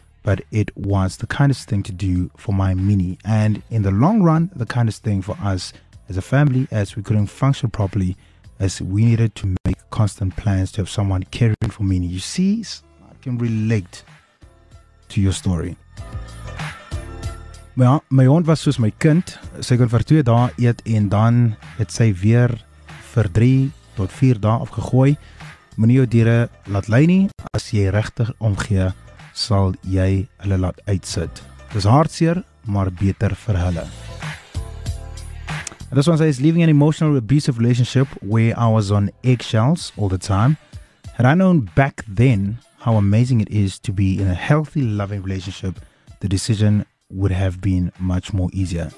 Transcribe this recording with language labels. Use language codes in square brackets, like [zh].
[en] but it was the kindest thing to do for my mini. And in the long run, the kindest thing for us as a family, as we couldn't function properly, as we needed to make constant plans to have someone caring for mini. You see, I can relate to your story. [af] My hond was soos my kind. Sy kon vir 2 dae eet en dan het sy weer vir 3 tot 4 dae afgegooi. Moenie jou diere laat lei nie. As jy regtig omgee, sal jy hulle laat uitsit. Dis hartseer, maar beter vir hulle. [en] This one says, leaving an emotional abusive relationship where I was on eggshells all the time. Had I known back then how amazing it is to be in a healthy, loving relationship, the decision would have been much more easier.